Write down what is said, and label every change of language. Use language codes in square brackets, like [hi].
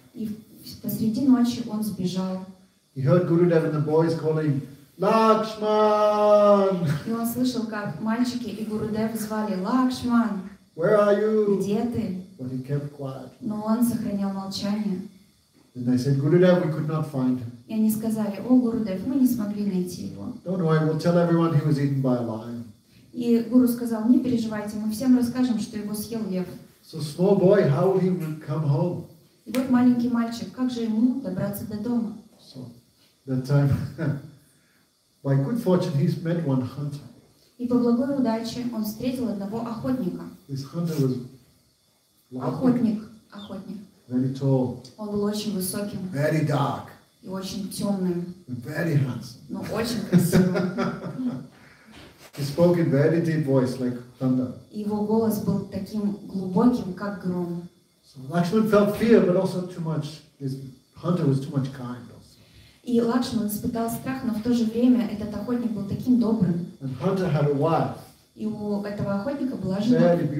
[ru] И посреди ночи он сбежал. [en] He heard Gurudev and the boys calling. Lakshman! [ru] И он слышал, как мальчики и Гурудев звали: Лакшман! [en] Where are you? [ru] Где ты? [en] But he kept quiet. [ru] Но он сохранял молчание. [en] And they said, Gurudev, we could not find him. [ru] И они сказали: о, Гурудев, мы не смогли найти его. [en] Don't worry, we'll tell everyone he was eaten by a lion. [ru] И гуру сказал: не переживайте, мы всем расскажем, что его съел лев. [en] So small boy, how will he come home? [ru] И вот маленький мальчик, как же ему добраться до дома? [en] So, that time... By good fortune, he's met one hunter. [ru] И по благой удаче он встретил одного охотника. [en] This hunter was [ru] охотник. [en] Very tall. [ru] Он был очень высоким. [en] Very dark. [ru] И очень темным. [en] Very handsome. [ru] Но очень красивым. [en] He spoke in very deep voice, like thunder. [ru] Его голос был таким глубоким, как гром. [en] So Lakshman felt fear, but also too much. This hunter was too much kind. [ru] И Лакшман испытал страх, но в то же время этот охотник был таким добрым. И у этого охотника была жена.